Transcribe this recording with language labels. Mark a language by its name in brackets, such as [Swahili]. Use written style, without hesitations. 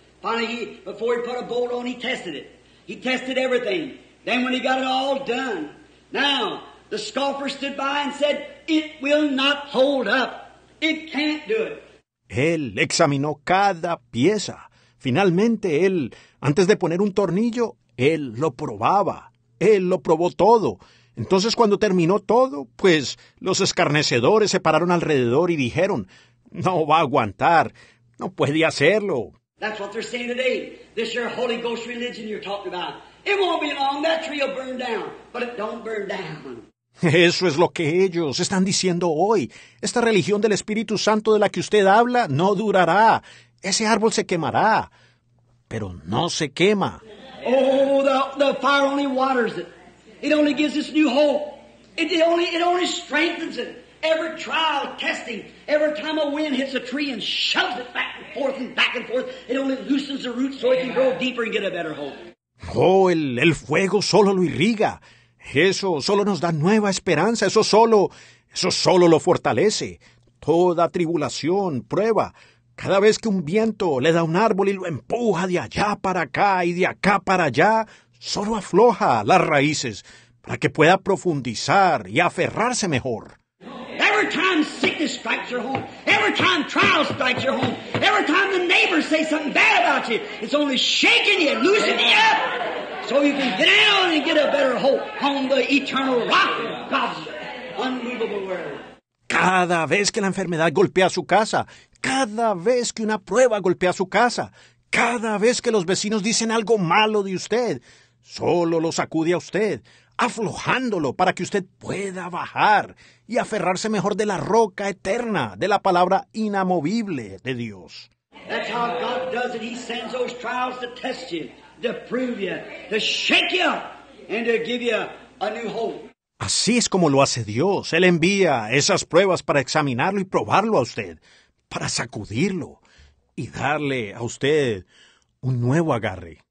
[English] Finally, before he put a bolt on, he tested it. He tested everything. Then when he got it all done, now the scoffer stood by and said, it will not hold up. It can't do it. [Spanish] Él examinó cada pieza. Finalmente, él, antes de poner un tornillo, él lo probaba. Él lo probó todo. Entonces, cuando terminó todo, pues, los escarnecedores se pararon alrededor y dijeron, no va a aguantar. No puede hacerlo. [English] That's what they're saying today. This your Holy Ghost religion you're talking about. It won't be long. That tree will burn down. But it don't burn down. [Spanish] Eso es lo que ellos están diciendo hoy. Esta religión del Espíritu Santo de la que usted habla no durará. Ese árbol se quemará. Pero no se quema. [English] Oh, the fire only waters it. It only gives us new hope. It only strengthens it. Every trial, testing, every time a wind hits a tree and shoves it back and forth and back and forth, it only loosens the roots so it can grow deeper and get a better hope. [Spanish] Oh, el fuego solo lo irriga. Eso solo nos da nueva esperanza. Eso solo lo fortalece. Toda tribulación, prueba. Cada vez que un viento le da un árbol y lo empuja de allá para acá y de acá para allá, solo afloja las raíces para que pueda profundizar y aferrarse mejor. [English] Every time sickness strikes your home, every time trial strikes your home, every time the neighbors say something bad about you, it's only shaking you, loosening you up, so you can get out and get a better hope on the eternal rock, God's unmovable word. [Spanish] Cada vez que la enfermedad golpea su casa, cada vez que una prueba golpea su casa, cada vez que los vecinos dicen algo malo de usted, solo lo sacude a usted, aflojándolo para que usted pueda bajar y aferrarse mejor de la roca eterna, de la palabra inamovible de Dios. [English] That's how God does it. He sends those trials to test you, to prove you, to shake you, and to give you a new hope. [Spanish] Así es como lo hace Dios. Él envía esas pruebas para examinarlo y probarlo a usted, para sacudirlo y darle a usted un nuevo agarre.